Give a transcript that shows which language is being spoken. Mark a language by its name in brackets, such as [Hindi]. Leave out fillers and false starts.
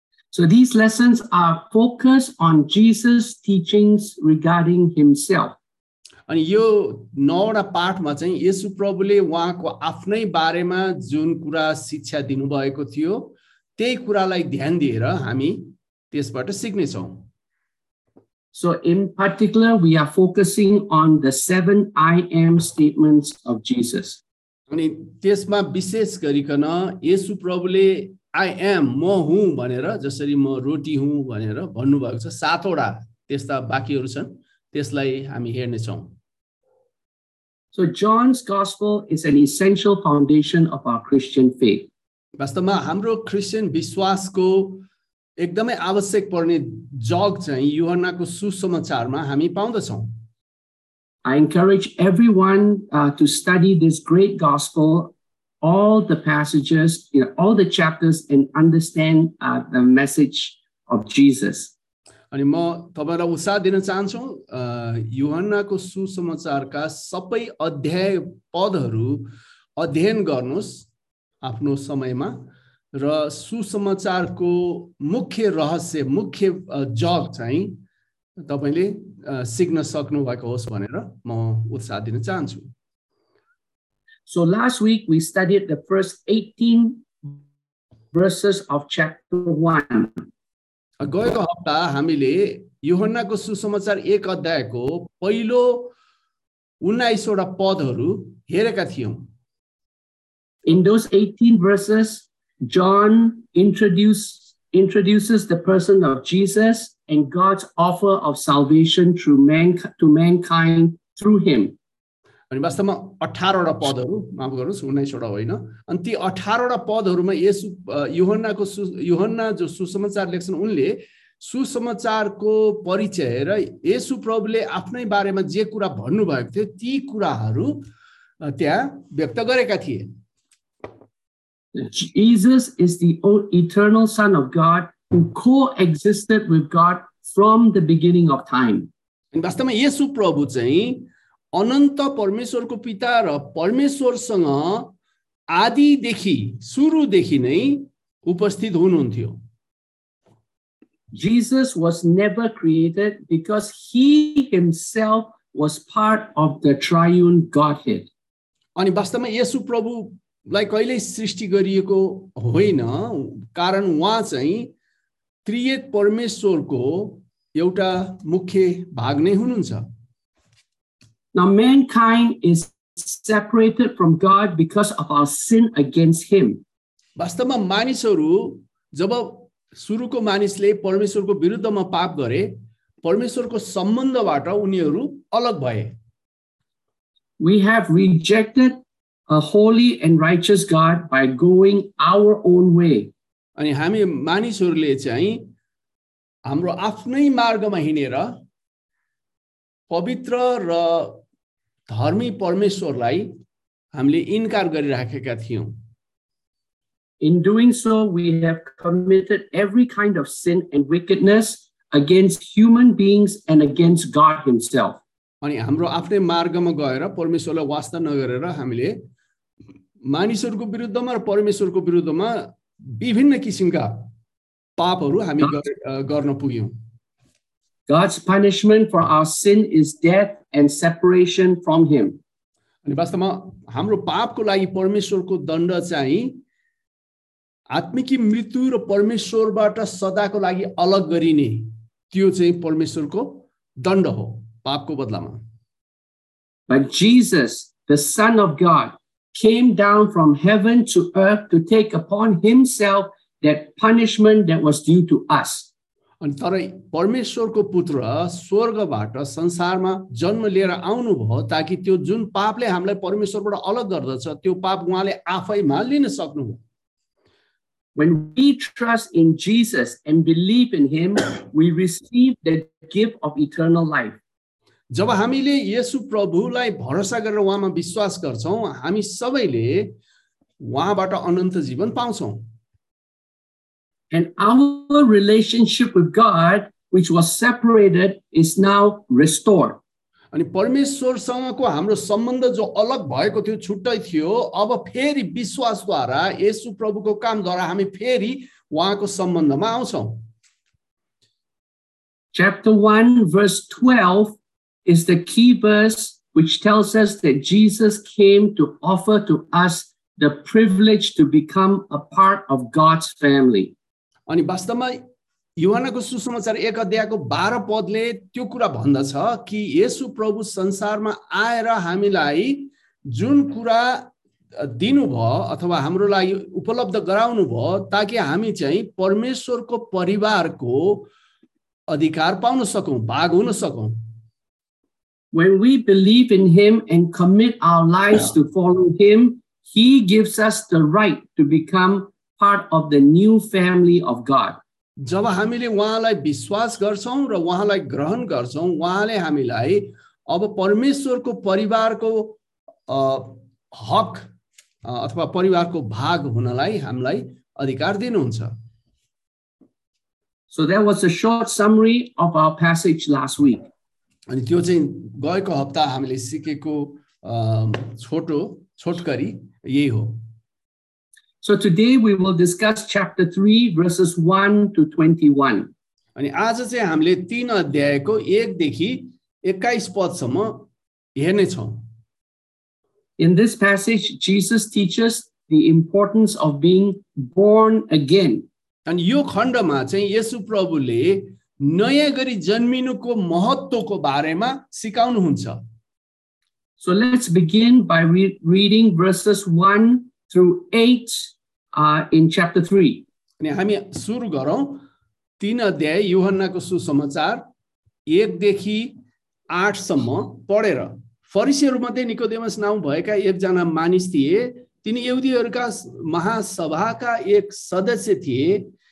[English] So these lessons are focused on Jesus' teachings regarding himself. [Nepali] अनि यो नौवटा पाठमा चाहिँ येशु प्रभुले उहाँको आफ्नै बारेमा जुन कुरा शिक्षा दिनुभएको थियो त्यही कुरालाई ध्यान दिएर हामी त्यसबाट सिक्नेछौँ. [English] So in particular, we are focusing on the seven I am statements of Jesus. [Nepali] अनि त्यसमा विशेष गरिकन येशु प्रभुले [English] I am [Nepali] म हुँ भनेर जसरी म रोटी हुँ भनेर भन्नुभएको छ सातवटा त्यस्ता बाँकीहरू छन् त्यसलाई हामी हेर्नेछौँ. [English] So John's gospel is an essential foundation of our Christian faith. [Nepali] वास्तवमा हाम्रो क्रिश्चियन विश्वासको एकदमै आवश्यक पर्ने जग चाहिँ युहन्नाको सुसमाचारमा हामी पाउँदछौँ. [English] I encourage everyone to study this great gospel, all the passages, you know, all the chapters, and understand the message of Jesus. [Nepali] अनि म तपाईँलाई उत्साह दिन चाहन्छु युहन्नाको सुसमाचारका सबै अध्याय पदहरू अध्ययन गर्नुहोस् आफ्नो समयमा र सुसमाचारको मुख्य रहस्य मुख्य जग चाहिँ तपाईँले सिक्न सक्नुभएको होस् भनेर म उत्साह दिन चाहन्छु. [English] So last week we studied the first 18 verses of chapter 1. [Nepali] गएको हप्ता हामीले युहन्नाको सुसमाचार एक अध्यायको पहिलो 19 पदहरू हेरेका थियौँ. [English] In those 18 verses, John introduces the person of Jesus and God's offer of salvation through mankind through him. [Nepali] अनि वास्तवमा 18 पदहरू, माफ गर्नुहोस् 19 होइन, अनि ती 18 पदहरूमा येशु युहन्नाको युहन्ना जो सुसमाचार लेख्छन् उनले सुसमाचारको परिचय र येशु प्रभुले आफ्नै बारेमा जे कुरा भन्नुभएको थियो ती कुराहरू त्यहाँ व्यक्त गरेका थिए. [English] Jesus is the eternal son of God who co-existed with God from the beginning of time. [Nepali] अनि वास्तवमा येशु प्रभु चाहिँ अनन्त परमेश्वरको पिता र परमेश्वरसँग आदिदेखि सुरुदेखि नै उपस्थित हुनुहुन्थ्यो. [English] Jesus was never created because he himself was part of the triune Godhead. [Nepali] अनि वास्तवमा येशु प्रभुलाई कहिल्यै सृष्टि गरिएको होइन, कारण उहाँ चाहिँ त्रियेक परमेश्वरको एउटा मुख्य भाग नै हुनुहुन्छ. [English] Now mankind is separated from God because of our sin against him. [Nepali] वास्तवमा मानिसहरु जब सुरुको मानिसले परमेश्वरको विरुद्धमा पाप गरे परमेश्वरको सम्बन्धबाट उनीहरु अलग भए. [English] We have rejected a holy and righteous God by going our own way. [Nepali] अनि हामी मानिसहरुले चाहिँ हाम्रो आफ्नै मार्गमा हिनेर पवित्र र धर्मी परमेश्वरलाई हामीले इन्कार गरिराखेका थियौँ. [English] In doing so, we have committed every kind of sin and wickedness against human beings and against God himself. [Nepali] अनि हाम्रो आफ्नै मार्गमा गएर परमेश्वरलाई वास्ता नगरेर हामीले मानिसहरूको विरुद्धमा र परमेश्वरको विरुद्धमा विभिन्न किसिमका पापहरू हामी गर्न पुग्यौँ. [English] God's punishment for our sin is death and separation from him. [Nepali] अनि वास्तवमा हाम्रो पापको लागि परमेश्वरको दण्ड चाहिँ आत्मिकी मृत्यु र परमेश्वरबाट सदाको लागि अलग गरिने त्यो चाहिँ परमेश्वरको दण्ड हो पापको बदलामा. [English] But Jesus, the Son of God, came down from heaven to earth to take upon himself that punishment that was due to us. [Nepali] अनि तर परमेश्वरको पुत्र स्वर्गबाट संसारमा जन्म लिएर आउनुभयो ताकि त्यो जुन पापले हामीलाई परमेश्वरबाट अलग गर्दछ त्यो पाप उहाँले आफैमा लिन सक्नुभयो. [English] When we trust in Jesus and believe in him, we receive the gift of eternal life. [Nepali] जब हामीले येशु प्रभुलाई भरोसा गरेर उहाँमा विश्वास गर्छौँ हामी सबैले उहाँबाट अनन्त जीवन पाउँछौँ. [English] And our relationship with God, which was separated, is now restored. [Nepali] अनि परमेश्वरसँगको हाम्रो सम्बन्ध जो अलग भएको थियो छुट्टै थियो अब फेरि विश्वासद्वारा येशु प्रभुको कामद्वारा हामी फेरि उहाँको सम्बन्धमा आउँछौँ. [English] Chapter 1, verse 12 is the key verse which tells us that Jesus came to offer to us the privilege to become a part of God's family. [Nepali] अनि वास्तवमा युहानको सुसमाचार एक अध्यायको 12 पदले त्यो कुरा भन्दछ कि येशू प्रभु संसारमा आएर हामीलाई जुन कुरा दिनुभयो अथवा हाम्रो लागि उपलब्ध गराउनु भयो ताकि हामी चाहिँ परमेश्वरको परिवारको अधिकार पाउन सकौँ भाग हुन सकौँ. [English] When we believe in him and commit our lives to follow him, he gives us the right to become part of the new family of God. [Nepali] जब हामीले उहाँलाई विश्वास गर्छौँ र उहाँलाई ग्रहण गर्छौँ उहाँले हामीलाई अब परमेश्वरको परिवारको हक अथवा परिवारको भाग हुनलाई हामीलाई अधिकार दिनुहुन्छ. [English] So that was a short summary of our passage last week. [Nepali] अनि त्यो चाहिँ गएको हप्ता हामीले सिकेको छोटो छोटकरी यही हो. [English] So today we will discuss chapter 3 verses 1 to 21. [Nepali] अनि आज चाहिँ हामीले 3 अध्यायको 1 देखि 21 पद सम्म हेर्ने छौ. [English] In this passage Jesus teaches the importance of being born again. [Nepali] अनि यो खण्डमा चाहिँ येशु प्रभुले नयाँ गरी जन्मिनुको महत्त्वको बारेमा सिकाउनु हुन्छ. [English] So let's begin by reading verses 1 through 8 in chapter 3. [Nepali] अनि हामी सुरु गरौँ 3 अध्याय युहन्नाको सुसमाचार 1 देखि 8 सम्म पढेर. फरिसीहरू मध्ये निकोदेमस नाम भएका एकजना मानिस थिए. तिनी यहुदीहरूका महासभाका एक सदस्य थिए.